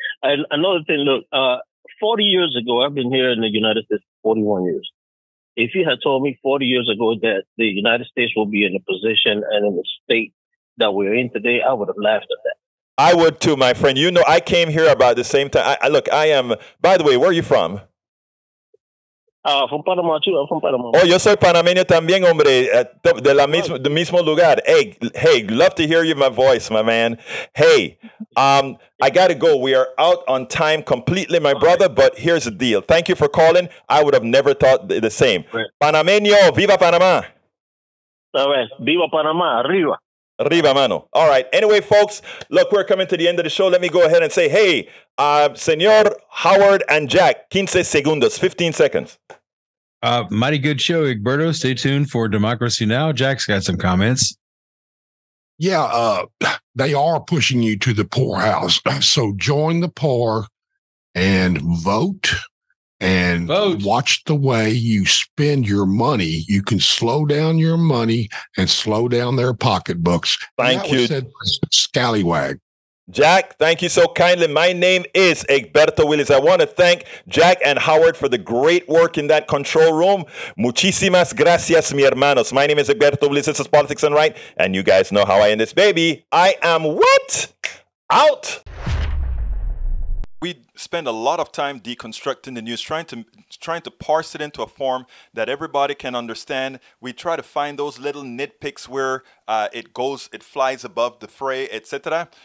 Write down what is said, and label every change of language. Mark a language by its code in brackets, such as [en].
[en] Another thing, look, 40 years ago, I've been here in the United States for 41 years. If you had told me 40 years ago that the United States will be in a position and in the state that we're in today, I would have laughed at that. I would too, my friend. You know, I came here about the same time. I am, by the way, where are you from? From Panama, too. I'm from Panama. [es] Oh, yo soy panameño también, hombre. De la mismo, de mismo lugar. [en] Hey, love to hear you, my voice, my man. Hey, I got to go. We are out on time completely, my brother, but here's the deal. Thank you for calling. I would have never thought the same. [es] Right. Panameño, viva Panama. Viva Panama, arriba. Arriba, mano. [en] All right. Anyway, folks, look, we're coming to the end of the show. Let me go ahead and say, hey, Señor Howard and Jack, 15 segundos, 15 seconds. Mighty good show, Egberto. Stay tuned for Democracy Now! Jack's got some comments. Yeah, they are pushing you to the poorhouse. So join the poor and vote. And vote. Watch the way you spend your money. You can slow down your money and slow down their pocketbooks. Thank you. Said Scallywag. Jack, thank you so kindly. My name is Egberto Willis. I want to thank Jack and Howard for the great work in that control room. [es] Muchísimas gracias, mi hermanos. [en] My name is Egberto Willis. This is Politics and Right. And you guys know how I end this, baby. I am what? Out. We spend a lot of time deconstructing the news, trying to parse it into a form that everybody can understand. We try to find those little nitpicks where it flies above the fray, etc.